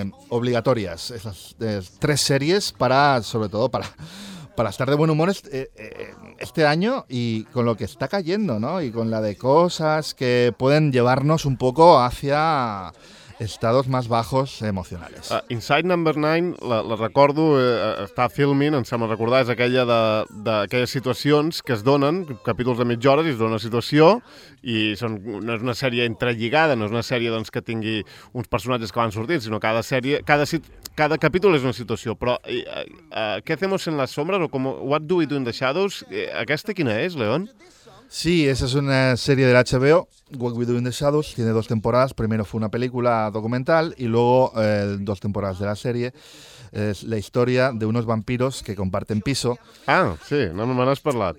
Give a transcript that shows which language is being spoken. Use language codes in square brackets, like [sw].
[es] Obligatorias esas tres series para estar de buen humor este año y con lo que está cayendo, ¿no? Y con la de cosas que pueden llevarnos un poco hacia estados más bajos emocionales. [ca] Inside Number 9, la recordo, està filming, em sembla recordar, és aquella d'aquelles situacions que es donen, capítols de mitja hora, i es dona una situació, i no és una sèrie entrelligada, no és una sèrie doncs, que tingui uns personatges que van sortint, sinó cada sèrie, cada capítol és una situació, però [es] ¿qué hacemos en las sombras? O como, [en] what do we do in the shadows? [ca] Aquesta quina és, León? [es] Sí, esa es una serie del HBO, What We Do in the Shadows, tiene dos temporadas, primero fue una película documental y luego dos temporadas de la serie, es la historia de unos vampiros que comparten piso. Ah, sí, no me van a hablar.